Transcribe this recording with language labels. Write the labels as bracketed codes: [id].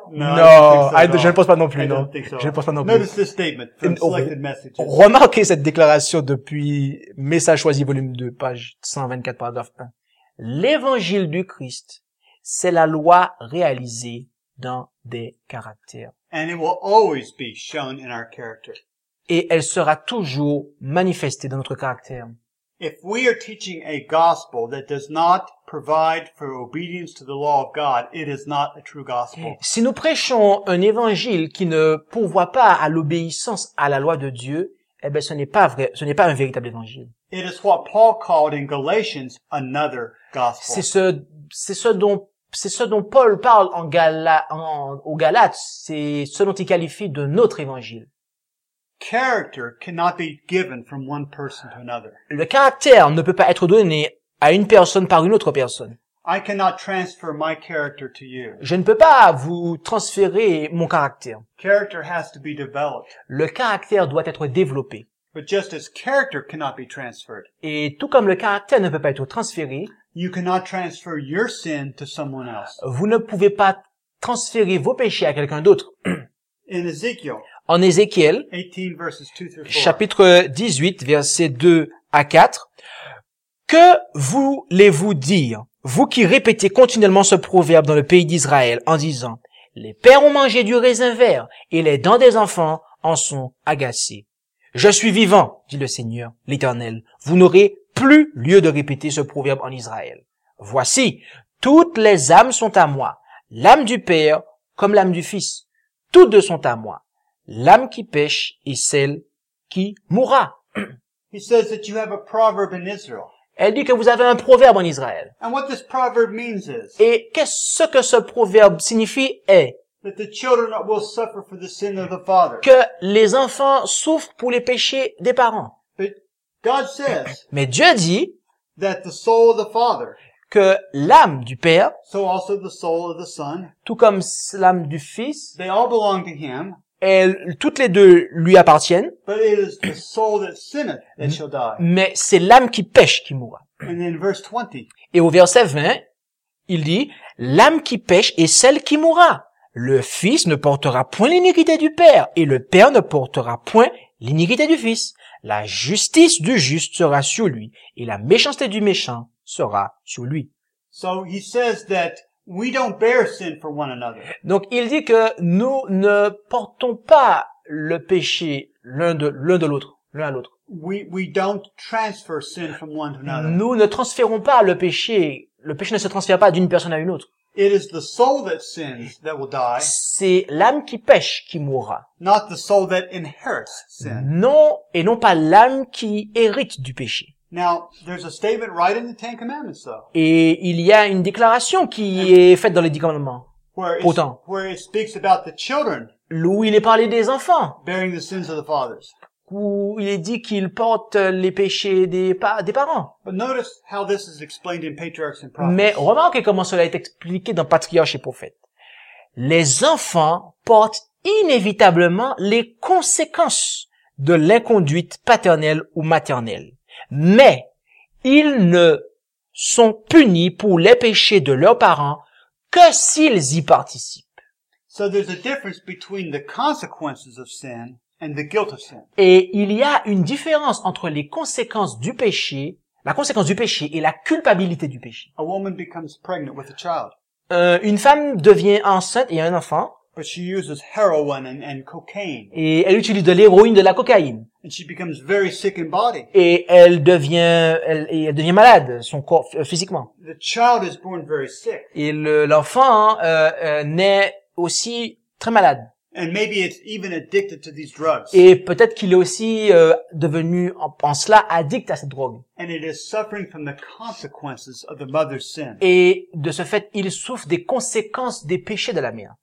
[fr] Non, je ne pense pas non plus. Je ne pense pas non plus. [en] Notice this statement from Selected Messages. [fr] Remarquez cette déclaration depuis Message choisi, volume 2, page 124, paragraphe 1. L'évangile du Christ, c'est la loi réalisée dans des caractères. [en] And it will always be shown in our character. [fr] Et elle sera toujours manifestée dans notre caractère. [en] If we are teaching a gospel that does not provide for obedience to the law of God, it is not a true gospel. [fr] Si nous prêchons un évangile qui ne pourvoit pas à l'obéissance à la loi de Dieu, eh ben ce n'est pas vrai, ce n'est pas un véritable évangile. [en] It is what Paul called in Galatians another gospel. [fr] C'est ce dont Paul parle aux Galates, c'est ce dont il qualifie de notre évangile. [en] Character cannot be given from one person to another. [fr] Le caractère ne peut pas être donné à une personne par une autre personne. [en] I cannot transfer my character to you. [fr] Je ne peux pas vous transférer mon caractère. [en] Character has to be developed. [fr] Le caractère doit être développé. [en] But just as character cannot be transferred. [fr] Et tout comme le caractère ne peut pas être transféré, [en] you cannot transfer your sin to someone else. [fr] Vous ne pouvez pas transférer vos péchés à quelqu'un d'autre. [en] In Ezekiel, [fr] en Ézéchiel, chapitre 18, versets 2 à 4, « Que voulez-vous dire, vous qui répétez continuellement ce proverbe dans le pays d'Israël, en disant, « Les pères ont mangé du raisin vert, et les dents des enfants en sont agacées. Je suis vivant, dit le Seigneur, l'Éternel, vous n'aurez plus lieu de répéter ce proverbe en Israël. Voici, toutes les âmes sont à moi, l'âme du Père comme l'âme du Fils, toutes deux sont à moi. L'âme qui pêche est celle qui mourra. » [en] He says that you have a proverb in Israel. [fr] Elle dit que vous avez un proverbe en Israël. [en] And what this proverb means is, [fr] et qu'est-ce que ce proverbe signifie est [en] that the children will suffer for the sin of the father. [fr] Que les enfants souffrent pour les péchés des parents. [en] But God says, [fr] mais Dieu dit [en] that the soul of the father, [fr] que l'âme du Père, [en] so also the soul of the son, [fr] tout comme l'âme du Fils, [en] they all belong to him, [fr] et toutes les deux lui appartiennent. [en] But it is the soul that sinneth that shall die. [fr] Mais c'est l'âme qui pêche qui mourra. [en] And in verse 20, [fr] et au verset 20, il dit, l'âme qui pêche est celle qui mourra. Le fils ne portera point l'iniquité du père, et le père ne portera point l'iniquité du fils. La justice du juste sera sur lui, et la méchanceté du méchant sera sur lui. [en] So he says that we don't bear sin for one another. [fr] Donc il dit que nous ne portons pas le péché l'un à l'autre. [en] We don't transfer sin from one to another. [fr] Nous ne transférons pas le péché. Le péché ne se transfère pas d'une personne à une autre. [en] It is the soul that sins that will die. [fr] C'est l'âme qui pêche qui mourra. [en] Not the soul that inherits sin. [fr] Non, et non pas l'âme qui hérite du péché. [en] Now, there's a statement right in the Ten Commandments, though. [fr] Et il y a une déclaration qui est faite dans les Dix Commandements. Pourtant. [en] Where it speaks about the children. [fr] Où il est parlé des enfants. [en] Bearing the sins of the fathers. [fr] Où il est dit qu'ils portent les péchés des parents. [en] But notice how this is explained in Patriarchs and Prophets. [fr] Mais remarquez comment cela est expliqué dans Patriarches et Prophètes. Les enfants portent inévitablement les conséquences de l'inconduite paternelle ou maternelle. Mais ils ne sont punis pour les péchés de leurs parents que s'ils y participent. [en] So there's a difference between the consequences of sin and the guilt of sin. [fr] Et il y a une différence entre les conséquences du péché, la conséquence du péché et la culpabilité du péché. [en] A woman becomes pregnant with a child. [fr] Une femme devient enceinte et a un enfant. [en] But she uses heroin and cocaine. [fr] Et elle utilise de l'héroïne, de la cocaïne. [en] And she becomes very sick in body. [fr] Et elle devient malade, son corps physiquement. [en] The child is born very sick. [fr] Et l'enfant naît aussi très malade. [en] And maybe it's even addicted to these drugs. [fr] Et peut-être qu'il est aussi devenu en cela addict à cette drogue. [en] And it is suffering from the consequences of the mother's sin. [fr] Et de ce fait, il souffre des conséquences des péchés de la mère.